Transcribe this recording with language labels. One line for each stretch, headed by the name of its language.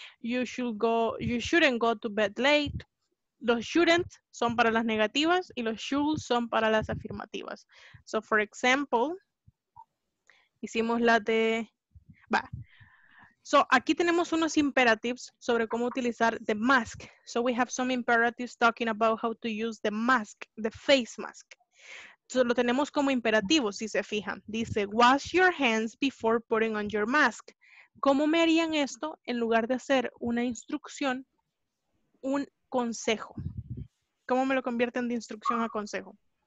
English: You shouldn't go to bed late.
Spanish: Los shouldn't son para las negativas y los should son para las afirmativas. So for example, hicimos la de, so aquí tenemos unos imperatives sobre cómo utilizar the mask.
English: So we have some imperatives talking about how to use the mask, the face mask.
Spanish: So lo tenemos como imperativo, si se fijan.
English: Dice, wash your hands before putting on your mask.
Spanish: ¿Cómo me harían esto en lugar de hacer una instrucción, un consejo? ¿Cómo me lo convierten de instrucción a consejo?